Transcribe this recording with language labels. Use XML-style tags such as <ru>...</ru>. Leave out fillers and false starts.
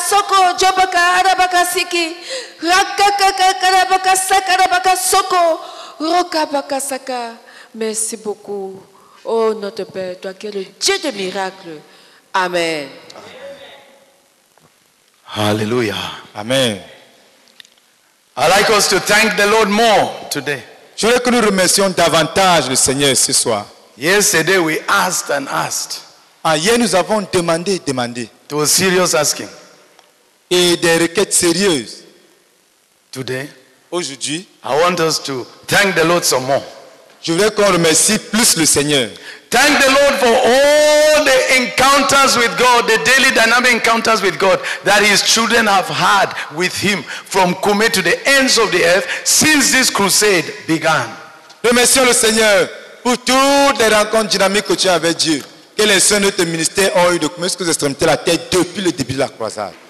<fr>Soko, jobaka, arabaka siki. Raka kaka karabaka, sakarabaka, soko. Roka baka saka. Merci beaucoup. Oh, notre Père, toi qui es le Dieu de miracles. Amen. Alléluia. Amen.</fr> <en>I'd like us to thank the Lord more today.</en> <fr>Je veux que nous remercions davantage le Seigneur ce soir.</fr> <en>Yesterday we asked and asked.</en> <fr>Ah, hier nous avons demandé et demandé.</fr> <en>It was serious asking.</en> <fr>Et des requêtes sérieuses.</fr> <en>Today.</en> <fr>Aujourd'hui.</fr> <en>I want us to thank the Lord some more.</en> <fr>Je voudrais qu'on remercie plus le Seigneur.</fr> <en>Thank the Lord for all the encounters with God, the daily dynamic encounters with God that his children have had with him from Kume to the ends of the earth since this crusade began.</en> <fr>Remercions le Seigneur pour toutes les rencontres dynamiques que tu as avec Dieu, que les saints de ton ministère ont eu de Kume jusqu'aux extrémités de la terre depuis le début de la croisade.</fr>